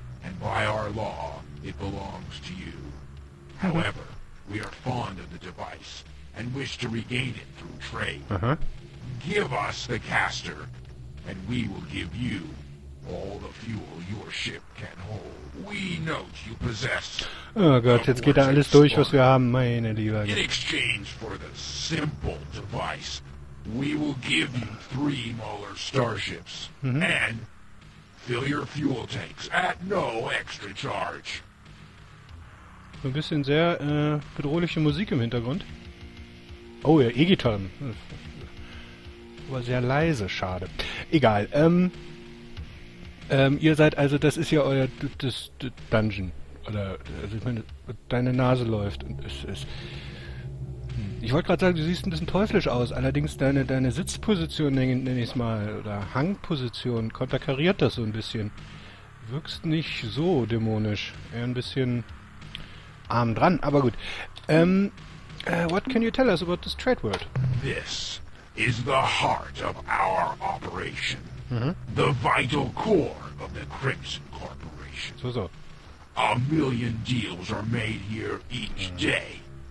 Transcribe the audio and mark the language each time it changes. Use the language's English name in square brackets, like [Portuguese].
[English] And by our law, it belongs to you. Mm-hmm. However, we are fond of the device and wish to regain it through trade. Uh-huh. Give us the caster, and we will give you all the fuel your ship can hold. We note you possess. [German] Oh Gott, jetzt geht da alles durch, was wir haben, meine Liebe. [English] In exchange for the simple device, we will give you 3 Mauler starships. Mm-hmm. And fill your fuel tanks at no extra charge. [German] So ein bisschen sehr bedrohliche Musik im Hintergrund. Oh ja, E-Gitarren. Aber sehr leise, schade. Egal. Ihr seid also, das ist ja euer das Dungeon. Oder, also ich meine, deine Nase läuft und es ist. Ich wollte gerade sagen, du siehst ein bisschen teuflisch aus, allerdings deine Sitzposition, nenne ich es mal, oder Hangposition, konterkariert das so ein bisschen. Wirkst nicht so dämonisch, eher ein bisschen arm dran, aber gut. [English] What can you tell us about this trade world? This is the heart of our operation. Mhm. The vital core of the Crimson Corporation. So. A million deals are made here each day.